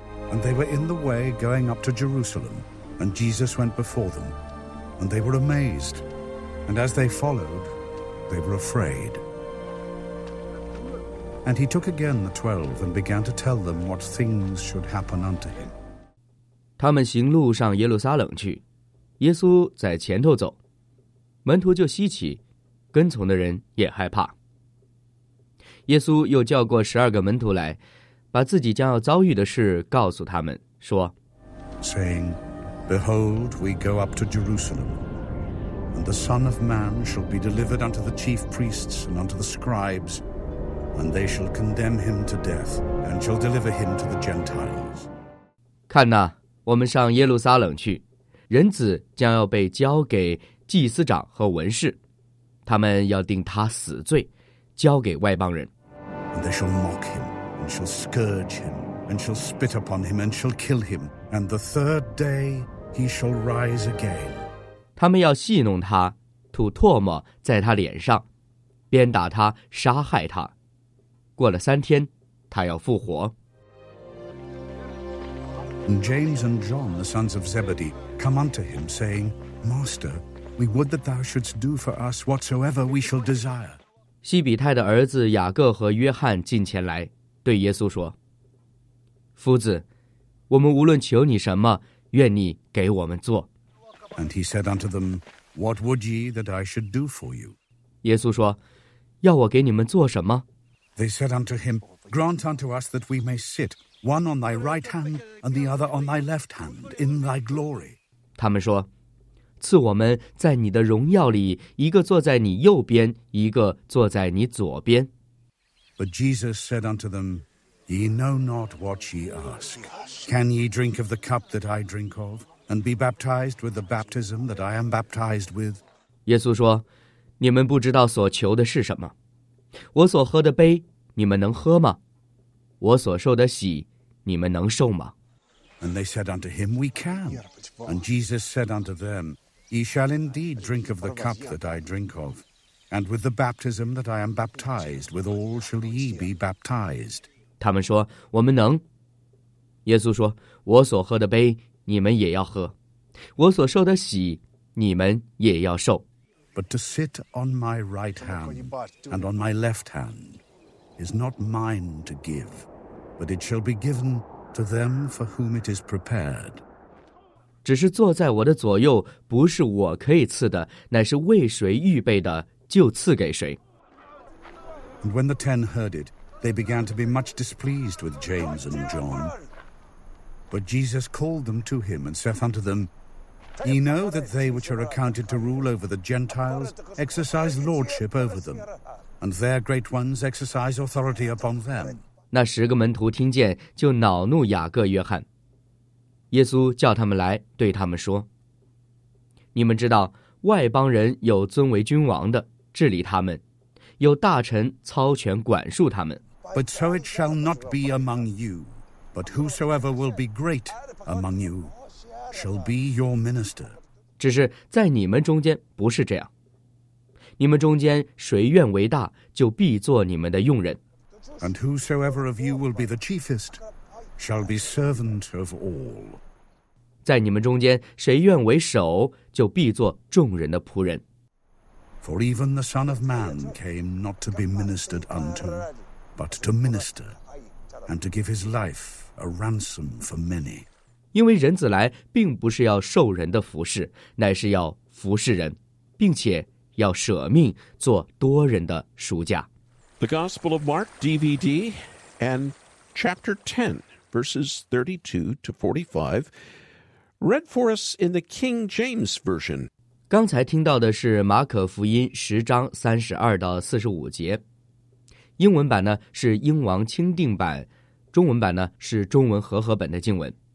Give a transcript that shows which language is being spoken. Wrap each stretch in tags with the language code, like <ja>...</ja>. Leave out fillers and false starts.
<en>And they were in the way going up to Jerusalem. And Jesus went before them, and they were amazed. And as they followed, they were afraid. And he took again the 12 and began to tell them what things should happen unto him.</en> <zh>他们行路上耶路撒冷去，耶稣在前头走，门徒就稀奇，跟从的人也害怕。耶稣又叫过十二个门徒来，把自己将要遭遇的事告诉他们，说</zh> <en>Saying,Behold, we go up to Jerusalem, and the Son of Man shall be delivered unto the chief priests and unto the scribes, and they shall condemn him to death, and shall deliver him to the Gentiles.</en> <zh>看哪，我们上耶路撒冷去，人子将要被交给祭司长和文士，他们要定他死罪，交给外邦人。</zh> <en>And they shall mock him, and shall scourge him, and shall spit upon him, and shall kill him. And the third day he shall rise again.</en> <zh>他们要戏弄他，吐唾沫在他脸上，鞭打他，杀害他。过了三天，他要复活。</zh> <en>And James and John, the sons of Zebedee, come unto him, saying, Master, We would that thou shouldst do for us whatsoever we shall desire.</en> <zh>西比泰的儿子雅各和约翰进前来，对耶稣说：夫子，我们无论求你什么，愿你给我们做。</zh> <en>And he said unto them, What would ye that I should do for you?</en> <zh>耶稣说，要我给你们做什么？</zh> <en>They said unto him, Grant unto us that we may sit, one on thy right hand and the other on thy left hand, in thy glory.</en> <zh>他们说，赐我们在你的荣耀里，一个坐在你右边，一个坐在你左边。</zh> <en>But Jesus said unto them, Ye know not what ye ask. Can ye drink of the cup that I drink of, and be baptized with the baptism that I am baptized with?</en> <zh>耶稣说，你们不知道所求的是什么。我所喝的杯，你们能喝吗？我所受的喜，你们能受吗？</zh> <en>And they said unto him, We can. And Jesus said unto them, Ye shall indeed drink of the cup that I drink of, and with the baptism that I am baptized, with all shall ye be baptized.</en> <zh>他们说，我们能。耶稣说，我所喝的杯，你们也要喝。我所受的喜，你们也要受。</zh> <en>But to sit on my right hand and on my left hand is not mine to give, but it shall be given to them for whom it is prepared.</en> <zh>只是坐在我的左右，不是我可以赐的，乃是为谁预备的，就赐给谁。</zh> <en>And when the ten heard it, they began to be much displeased with James and John. But Jesus called them to him and saith unto them,Ye know that they which are accounted to rule over the Gentiles exercise lordship over them, and their great ones exercise authority upon them.</en> <zh>那十个门徒听见，就恼怒雅各、约翰。耶稣叫他们来，对他们说：你们知道，外邦人有尊为君王的治理他们，有大臣操权管束他们。</zh> <en>But so it shall not be among you, but whosoever will be great among you. Shall be your minister.</en> <zh>只是在你们中间不是这样。你们中间谁愿为大，就必做你们的用人。</zh> <en>And whosoever of you will be the chiefest, shall be servant of all.</en> <zh>在你们中间谁愿为首，就必做众人的仆人。</zh> <en>For even the Son of Man came not to be ministered unto, but to minister, and to give his life a ransom for many.</en> <zh>因为人子来并不是要受人的服侍，乃是要服侍人，并且要舍命做多人的赎价。</zh> <en>The Gospel of Mark DVD and Chapter 10 verses 32-45 read for us in the King James Version.</en> <zh>刚才听到的是马可福音十章32-45节，英文版呢是英王钦定版，中文版呢是中文和合本的经文。</zh>